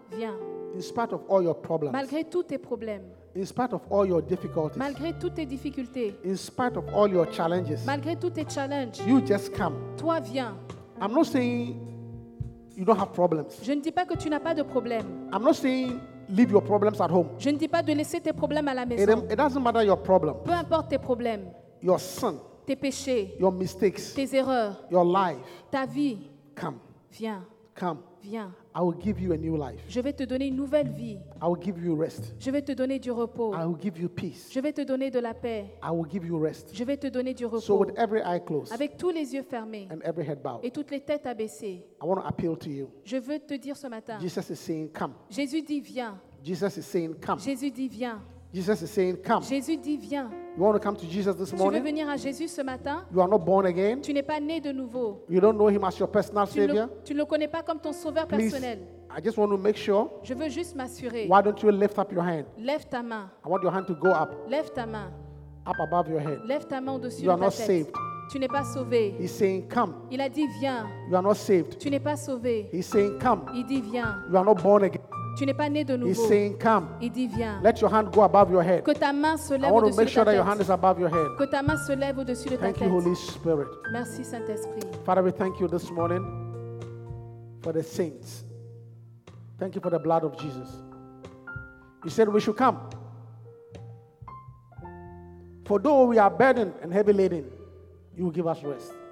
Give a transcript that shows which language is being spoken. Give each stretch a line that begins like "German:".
French: viens,
English: in spite of all your problems,
French: malgré tous tes problèmes,
English: in spite of all your difficulties,
French: malgré toutes tes difficultés,
English: in spite of all your challenges,
French: malgré tous tes challenges,
English: you just come,
French: toi viens.
English: I'm not saying you don't have problems.
French: Je ne dis pas que tu n'as pas de problème.
English: I'm not saying leave your problems at home.
French: Je ne dis pas de laisser tes problèmes à la maison.
English: It doesn't matter your problem.
French: Peu importe tes problèmes.
English: Your sin.
French: Tes péchés.
English: Your mistakes.
French: Tes erreurs.
English: Your life.
French: Ta vie.
English: Come.
French: Viens.
English: Come.
French: Viens.
English: I will give you a new life.
French: Je vais te donner une nouvelle vie.
English: I will give you rest.
French: Je vais te donner du repos.
English: I will give you peace.
French: Je vais te donner de la paix.
English: I will give you rest.
French: Je vais te donner du repos.
English: So with every eye closed.
French: Avec tous les yeux fermés.
English: And every head bowed.
French: Et toutes les têtes abaissées.
English: I want to appeal to you.
French: Je veux te dire ce matin.
English: Jesus is saying, come.
French: Jésus dit, viens.
English: Jesus is saying, come.
French: Jésus dit, viens.
English: Jesus is saying, come.
French: Jésus dit, viens.
English: You want to come to Jesus this morning?
French: Tu veux venir à Jésus ce matin?
English: You are not born again?
French: Tu n'es pas né de nouveau?
English: You don't know him as your personal savior?
French: Tu ne le connais pas comme ton sauveur personnel?
English: Please, I just want to make sure.
French: Je veux juste m'assurer.
English: Why don't you lift up your hand?
French: Lève ta main.
English: I want your hand to go up.
French: Lève ta main.
English: Up above your head.
French: Lève ta main au-dessus de ta
English: tête. You are not saved.
French: Tu n'es pas sauvé.
English: He's saying, come.
French: Il a dit, viens.
English: You are not saved.
French: Tu n'es pas sauvé.
English: He's saying, come.
French: Il dit, viens.
English: You are not born again.
French: Tu n'es pas né de nouveau.
English: He's saying, come.
French: Il dit, viens.
English: Let your hand go above your head.
French: Que ta main se lève au-dessus de ta
English: tête. Your hand is above your head.
French: Que ta main se lève au-dessus de ta
English: tête. Holy Spirit.
French: Merci, Saint-Esprit.
English: Father, we thank you this morning for the saints. Thank you for the blood of Jesus. You said we should come. For though we are burdened and heavy laden, you will give us rest.